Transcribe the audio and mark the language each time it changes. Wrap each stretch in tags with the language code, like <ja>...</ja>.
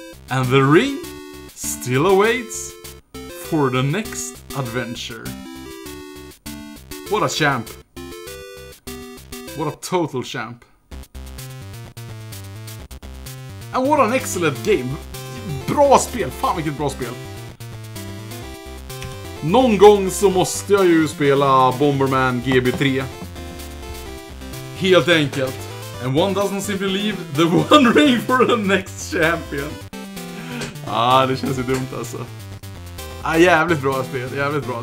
<en>And the ring still awaits for the next adventure. What a champ. What a total champ. And what an excellent game!</en> <sv>Bra spel! Fan vilket bra spel! Någon gång så måste jag ju spela Bomberman GB3. Helt enkelt.</sv> <en>And one doesn't simply leave the one ring for the next champion.</en> <sv>Ah, det känns ju dumt alltså. Ah, jävligt bra spel, jävligt bra.</sv>